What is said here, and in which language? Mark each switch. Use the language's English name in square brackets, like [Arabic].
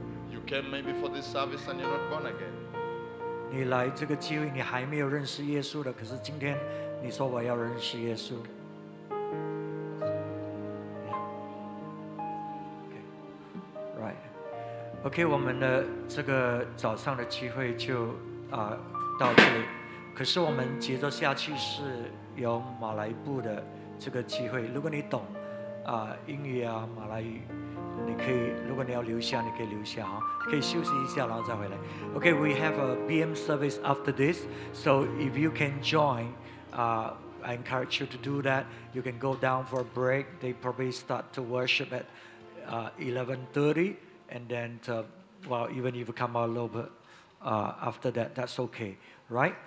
[English] You came maybe for this service and you're not born again. [Chinese] 你来这个机会, 你还没有认识耶稣的, 可是今天你说我要认识耶稣。 [English] Okay. Right. Okay, [Chinese] 我们的这个早上的机会就, 到这里。可是我们接着下去是有马来部的这个机会。如果你懂, 英语啊, 马来语, 你可以, 如果你要留下, 你可以留下, 哦, 可以休息一下, 然后再回来。 [English] Okay, we have a PM service after this, so if you can join, I encourage you to do that. You can go down for a break. They probably start to worship at 11:30, and then to, well, even if you come out a little bit after that, that's okay, right?